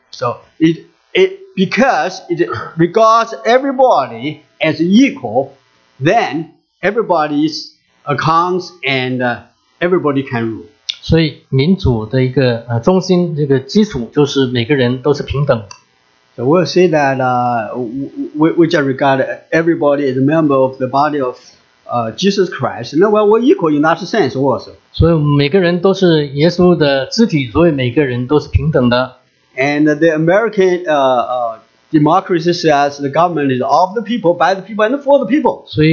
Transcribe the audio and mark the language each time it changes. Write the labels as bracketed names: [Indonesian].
[English] So because it regards everybody as equal, then everybody's accounts and everybody can rule. [Chinese] 所以民主的一个中心这个基础就是每个人都是平等。 [English] So we'll say that we just regard everybody as a member of the body of Jesus Christ. No, well, we're equal in that sense also. [Chinese] 所以每个人都是耶稣的肢体，所以每个人都是平等的。 [English] And the American democracy says the government is of the people, by the people, and for the people.